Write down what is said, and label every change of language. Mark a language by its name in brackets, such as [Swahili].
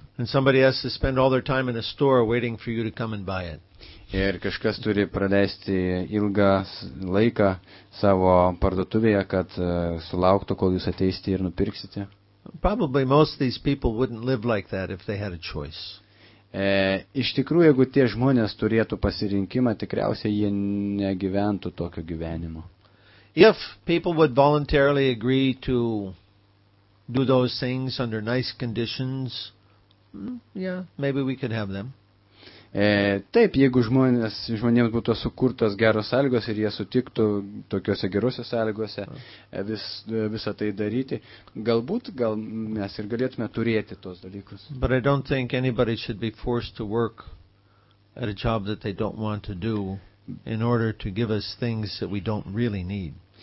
[English] And somebody has to spend all their time in a store waiting for you to come and buy it. [Lithuanian] Ir kažkas turi praleisti ilgą laiką savo parduotuvėje, kad sulauktų, kol jūs ateisite ir nupirksite. [English] Probably most of these people wouldn't live like that if they had a choice. [Lithuanian] Iš tikrųjų, jeigu tie žmonės turėtų pasirinkimą, tikriausiai jie negyventų tokio gyvenimo. [English] If people would voluntarily agree to do those things under nice conditions, yeah, maybe we could have them. [Lithuanian] Taip, jeigu žmonėms būtų sukurtos geros sąlygos ir jie sutiktų tokiose gerose sąlygose visą tai daryti, gal mes ir galėtume turėti tos dalykus. [English] But I don't think anybody should be forced to work at a job that they don't want to do in order to give us things that we don't really need.